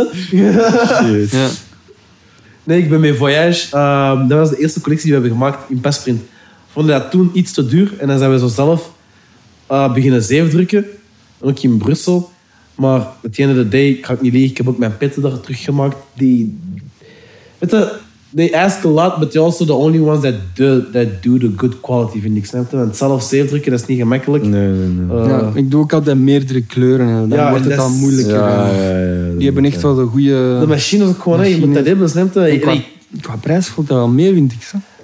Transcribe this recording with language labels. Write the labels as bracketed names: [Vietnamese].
[Dutch] Shit. Ja. Nee, ik ben mee Voyage. Dat was de eerste collectie die we hebben gemaakt in Pasprint. vonden dat toen iets te duur. En dan zijn we zo zelf beginnen zeefdrukken. En ook in Brussel. Maar het einde van de dag, ga ik niet liegen, ik heb ook mijn petten daar teruggemaakt. Die, weet je, [English] they ask a lot, but you're also the only ones that do the good quality, [Dutch] vind ik. Snap je? Want zelf zeefdrukken, dat is niet gemakkelijk. Nee. Ja, ik doe ook altijd meerdere kleuren. Dan ja, wordt het al moeilijker. Ja, die hebben echt wel de goede. De machine is ook gewoon, je moet dat hebben, snap je? Qua prijs voelt dat wel meer, vind ik. Zo.